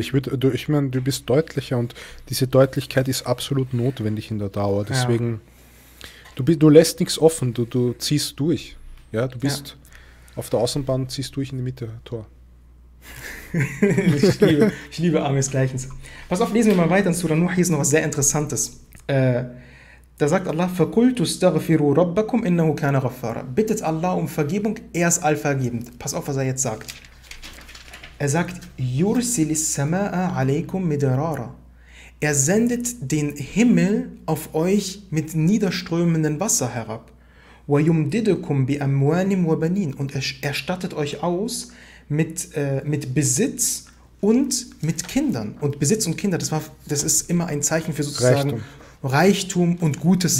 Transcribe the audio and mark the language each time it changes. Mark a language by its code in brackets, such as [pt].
[de] Ich meine, du bist deutlicher und diese Deutlichkeit ist absolut notwendig in der Dauer. Deswegen Du lässt nichts offen, du ziehst durch. Ja, du bist auf der Außenbahn, ziehst durch in die Mitte, Tor. ich liebe Armes Gleichnis. Pass auf, lesen wir mal weiter in Surah Nuh, hier ist noch was sehr Interessantes. Da sagt [ar] Allah, فَقُلْتُ اسْتَغْفِرُوا رَبَّكُمْ إِنَّهُ كَانَ غَفَّارًا. [de] Bittet Allah um Vergebung, er ist allvergebend. Pass auf, was er jetzt sagt. Er sagt, [ar] يُرْسِلِ السَّمَاءَ عَلَيْكُمْ مِدْرَارًا. [de] Er sendet den Himmel auf euch mit niederströmendem Wasser herab. [ar] وَيُمْدِدُكُمْ بِأَمْوَانٍ وَبَنِينَ. [de] Und er erstattet euch aus mit Besitz und mit Kindern. Und Besitz und Kinder, das ist immer ein Zeichen für sozusagen Reichtum und gutes